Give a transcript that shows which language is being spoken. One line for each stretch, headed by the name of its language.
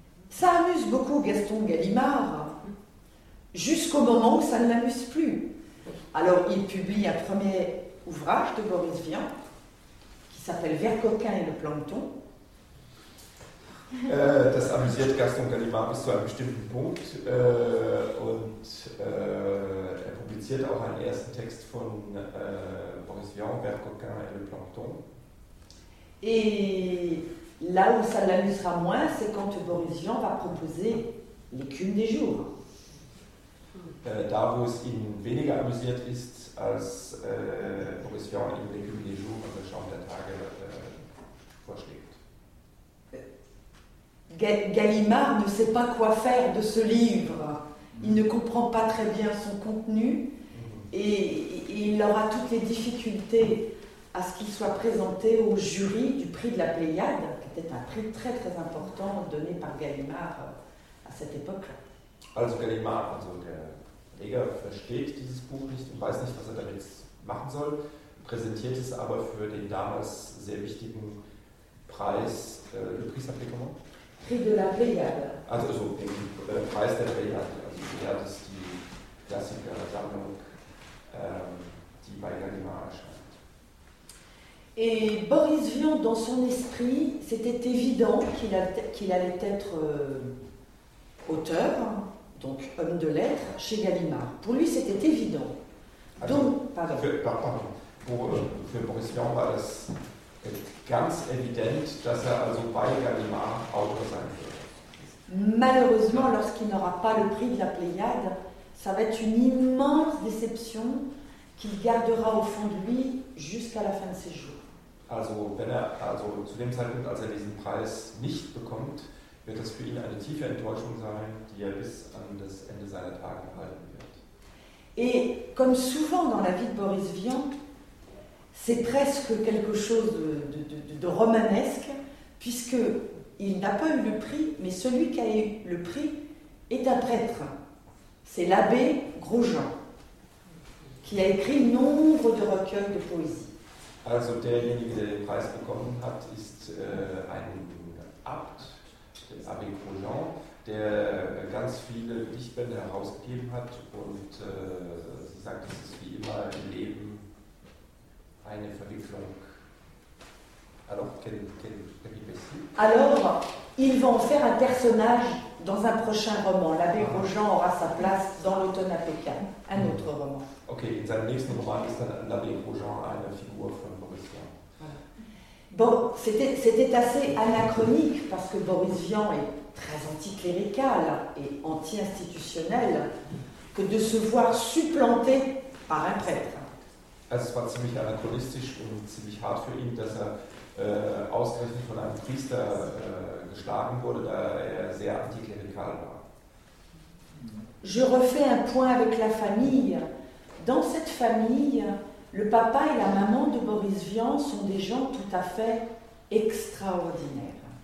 French: Ça amuse beaucoup Gaston Gallimard. Jusqu'au moment où ça ne l'amuse plus. Alors, il publie un premier ouvrage de Boris Vian, qui s'appelle « Vers coquin et le plancton ».
German: Das amusiert Gaston Gallimard bis zu einem bestimmten Punkt. Und er publiziert auch einen ersten Text von Boris Vian, « Vers coquin et le plancton ».
French: Et là où ça l'amusera moins, c'est quand Boris Vian va proposer « L'écume des jours ».
German: Da, wo es ihn weniger amüsiert ist, als Boris Vian in L'écume des jours, also Schaum der Tage, vorschlägt.
French: Gallimard ne sait pas quoi faire de ce livre. Il ne comprend pas très bien son contenu et il aura toutes les difficultés à ce qu'il soit présenté au jury du prix de la Pléiade, qui était un prix très très important donné par Gallimard à cette époque-là.
German: Also Gallimard, also der Leger versteht dieses Buch nicht und weiß nicht, was er damit machen soll, präsentiert es aber für den damals sehr wichtigen Preis,
French: le prix d'appliquement? Prix de la Pléiade.
German: Also so, den Preis der Pléiade. Also Pléiade ist die Klassiker-Sammlung, die bei Gallimard erscheint.
French: Et Boris Vian, dans son esprit, c'était évident qu'il allait être auteur, donc homme de lettres, chez Gallimard. Pour lui, c'était évident. Donc, pardon. Pour Boris Vian,
German: war das ganz evident, dass er also bei Gallimard Autor sein wird.
French: Malheureusement, lorsqu'il n'aura pas le prix de la Pléiade, ça va être une immense déception qu'il gardera au fond de lui jusqu'à la fin de ses jours.
German: Also, wenn er, also zu dem Zeitpunkt, als er diesen Preis nicht bekommt, wird das für ihn eine tiefe Enttäuschung sein, die er bis an das Ende seiner Tage halten wird.
French: Et comme souvent dans la vie de Boris Vian, c'est presque quelque chose de romanesque, puisque il n'a pas eu le prix, mais celui qui a eu le prix est un prêtre. C'est l'abbé Grosjean, qui a écrit nombre de recueils de poésie.
German: Also derjenige, der den Preis bekommen hat, ist ein Abt. Abbé Grosjean, der ganz viele Gedichtbände herausgegeben hat. Und sie sagt, es ist wie immer im Leben eine Verwicklung.
French: Alors, ils vont faire un personnage dans un prochain roman. L'abbé Rogent aura sa place dans l'automne à Pékin, un autre roman.
German: Ok, in seinem nächsten Roman ist dann l'abbé Rogent eine Figur von Boris Vian.
French: Bon, c'était assez anachronique parce que Boris Vian est très anticlérical et anti-institutionnel que de se voir supplanté par un prêtre.
German: Es war ziemlich anachronistisch und ziemlich hart für ihn, dass er ausgerechnet von einem Priester geschlagen wurde, da er sehr antiklerikal war.
French: Je refais un point avec la famille. Dans cette famille, le papa et la maman de Boris Vian sont des gens tout à fait extraordinaires.